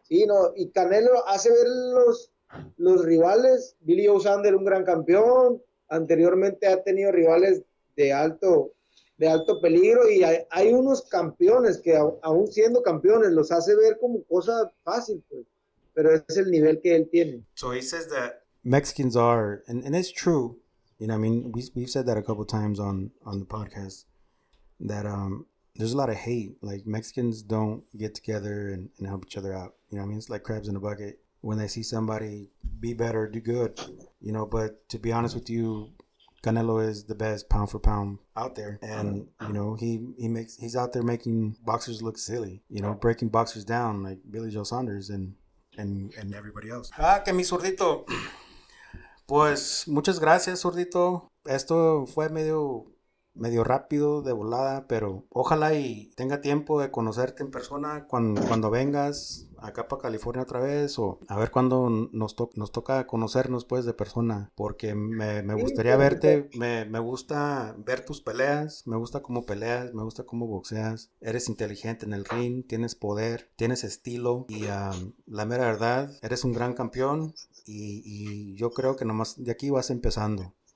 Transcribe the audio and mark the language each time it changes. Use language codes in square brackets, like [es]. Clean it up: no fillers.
[es] Sí, no, y Canelo hace ver los rivales. Billy Joe Saunders, un gran campeón. Anteriormente ha tenido rivales de alto peligro. Y hay unos campeones que aún siendo campeones los hace ver como cosa fácil, pues, pero es el nivel que él tiene. [en] So he says that Mexicans are, and it's true. I mean, we've said that a couple times on the podcast that there's a lot of hate. Like Mexicans don't get together and help each other out. I mean, it's like crabs in a bucket when they see somebody be better, do good. But to be honest with you, Canelo is the best pound for pound out there, and he's out there making boxers look silly. Breaking boxers down like Billy Joe Saunders and everybody else. [es] Ah, que mi zurdito. Pues muchas gracias, zurdito. Esto fue medio rápido de volada, pero ojalá y tenga tiempo de conocerte en persona cuando vengas acá para California otra vez, o a ver cuándo nos toca conocernos pues de persona, porque me gustaría verte, me gusta ver tus peleas, me gusta cómo peleas, me gusta cómo boxeas, eres inteligente en el ring, tienes poder, tienes estilo y la mera verdad, eres un gran campeón y yo creo que nomás de aquí vas empezando.